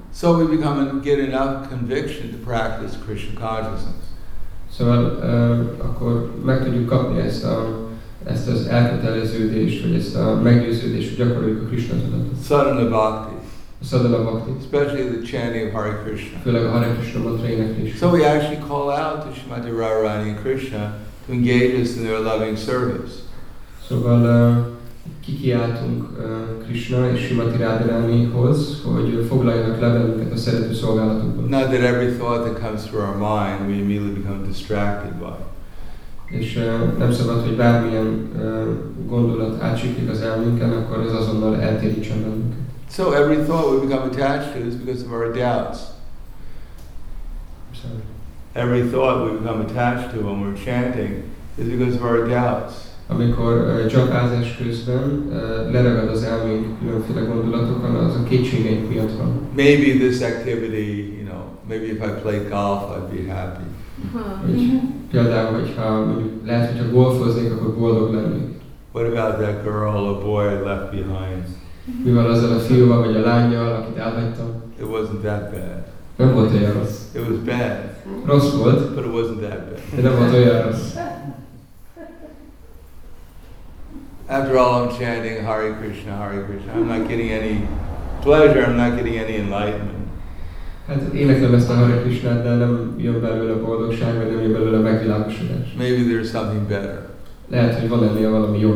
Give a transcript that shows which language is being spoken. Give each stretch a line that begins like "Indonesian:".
English: So we become and get enough conviction to practice Krishna consciousness.
Hungarian: Szóval akkor meg tudjuk kapni ezt az elköteleződést, vagy ezt a meggyőződést, hogy gyakoroljuk a Krishna tudatot.
Sanskrit: Sadhana bhakti. Sadhana bhakti.
English: Especially the chanting of Hare Krishna.
Hungarian: Főleg a Hare Krishna mantra éneklés.
English: So we actually call out to Srimati Radharani and Krishna to engage us in their loving service.
Hungarian: Szóval kikiáltunk Krishna és Srimati Radharanihoz, hogy foglaljanak le bennünket a szerető szolgálatukban.
English: Not that every thought that comes through our mind we immediately become distracted by.
Hungarian: És nem szabad, hogy bármilyen gondolat átsiklik az elménken, akkor ez azonnal eltérítsen bennünket.
English: So every thought we become attached to is because of our doubts. Sorry. Every thought we become attached to when we're chanting is because of our doubts.
Hungarian: Amikor gyakázás közben leragad az elménk különféle gondolatokon, az a kétségeink miatt van.
English: Maybe this activity, you know, maybe if I played golf, I'd be happy.
Hungarian: Például, hogyha lehet, hogyha golfoznék, akkor boldog lennék.
English: What about that girl or boy I left behind?
Hungarian: Mi van azzal a fiúval vagy a lányjal, akit elhagytam?
English: It wasn't that bad.
Hungarian: Nem volt olyan rossz.
English: It was bad.
Hungarian: Rossz volt.
English: But it wasn't that bad.
Hungarian: De nem volt olyan rossz.
English: After all, I'm chanting Hare Krishna, Hare Krishna. I'm not getting any pleasure. I'm not getting any enlightenment.
Hungarian: Hát éneklem ezt a Hare Krishna, de nem jön belőle boldogság, vagy nem jön belőle megvilágosodás.
English: Maybe there's something better.
Hungarian: Lehet, hogy van ennél valami jobb.